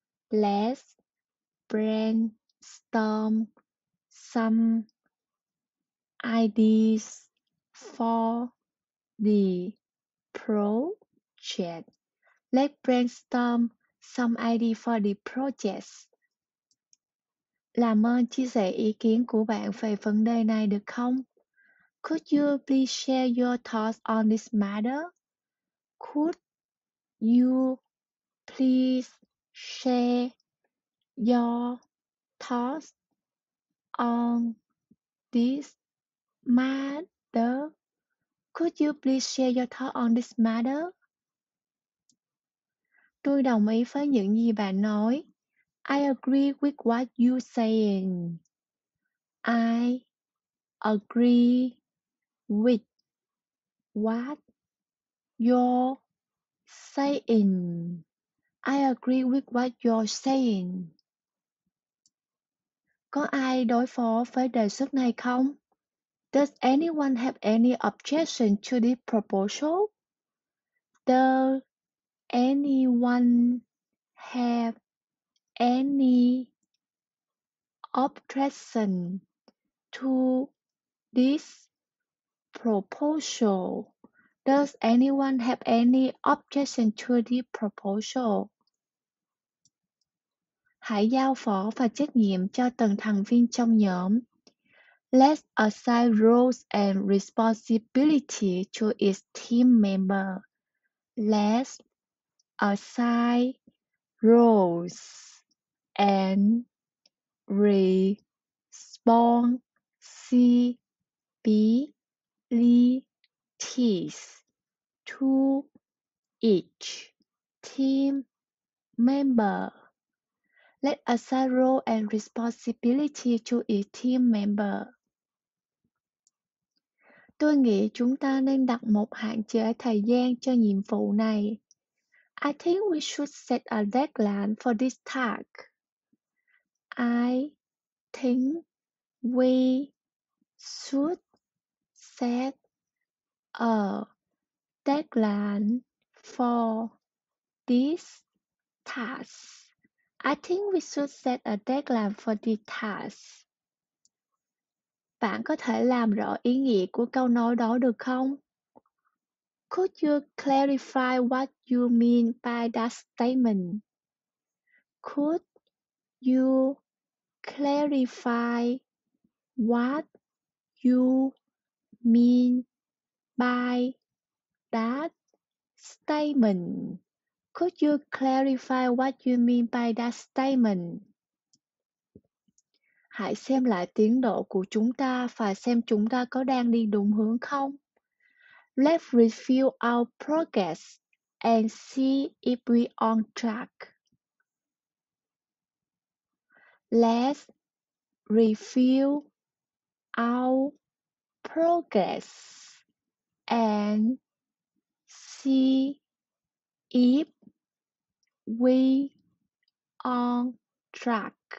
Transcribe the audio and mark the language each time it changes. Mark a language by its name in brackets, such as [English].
[English] Let's brainstorm some ideas for the project. Let's brainstorm some ideas for the project. [Vietnamese] Làm ơn chia sẻ ý kiến của bạn về vấn đề này được không? [English] Could you please share your thoughts on this matter? Could you please share your thoughts on this matter? Could you please share your thoughts on this matter? [Vietnamese] Tôi đồng ý với những gì bạn nói. [English] I agree with what you saying. I agree with what you're saying. I agree with what you're saying. [Vietnamese] Có ai đối phó với đề xuất này không? [English] Does anyone have any objection to the proposal? Does anyone have any objection to this proposal? Does anyone have any objection to the proposal? [Vietnamese] Hãy giao phó và trách nhiệm cho từng thành viên trong nhóm. [English] Let's assign roles and responsibility to each team member. Let's assign roles and responsibilities to each team member. Let's assign roles and responsibility to each team member. [Vietnamese] Tôi nghĩ chúng ta nên đặt một hạn chế thời gian cho nhiệm vụ này. [English] I think we should set a deadline for this task. I think we should set a deadline for this task. I think we should set a deadline for the task. [Vietnamese] Bạn có thể làm rõ ý nghĩa của câu nói đó được không? [English] Could you clarify what you mean by that statement? Could you clarify what you mean by that statement? Could you clarify what you mean by that statement? [Vietnamese] Hãy xem lại tiến độ của chúng ta và xem chúng ta có đang đi đúng hướng không. [English] Let's review our progress and see if we're on track. Let's review our progress and see if we on track.